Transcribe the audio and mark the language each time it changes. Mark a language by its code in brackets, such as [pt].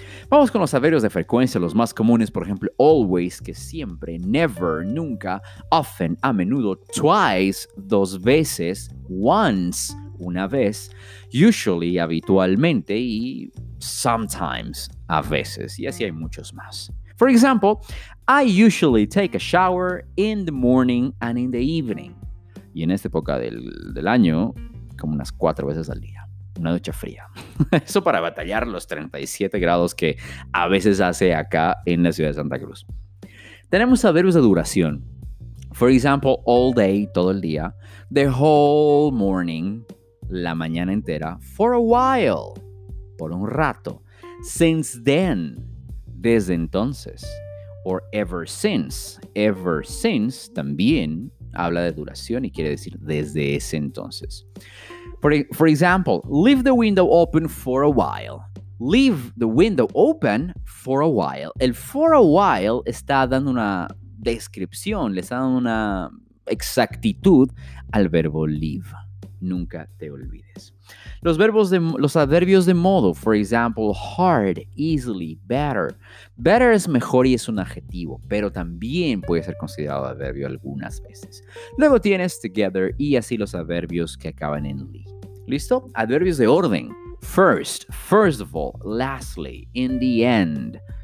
[es] Vamos con los adverbios de frecuencia, los más comunes, por ejemplo, always, que siempre, never, nunca, often, a menudo, twice, dos veces, once, una vez, usually, habitualmente, y sometimes, a veces. Y así hay muchos más. [en] For example, I usually take a shower in the morning and in the evening. [es] Y en esta época del año, como unas 4 veces al día. Una ducha fría. Eso para batallar los 37 grados que a veces hace acá en la ciudad de Santa Cruz. Tenemos adverbios de duración. [en] For example, all day, [es] todo el día. [en] The whole morning, [es] la mañana entera. [en] For a while, [es] por un rato. [en] Since then, [es] desde entonces. [en] Or ever since. [es] Ever since también habla de duración y quiere decir desde ese entonces. [en] For example, leave the window open for a while. Leave the window open for a while. [es] El for a while está dando una descripción, le está dando una exactitud al verbo leave. Nunca te olvides. Los adverbios de modo, [en] for example, [es] hard, easily, better. Better es mejor y es un adjetivo, pero también puede ser considerado adverbio algunas veces. Luego tienes together y así los adverbios que acaban en ly. ¿Listo? Adverbios de orden. [en] First, first of all, lastly, in the end.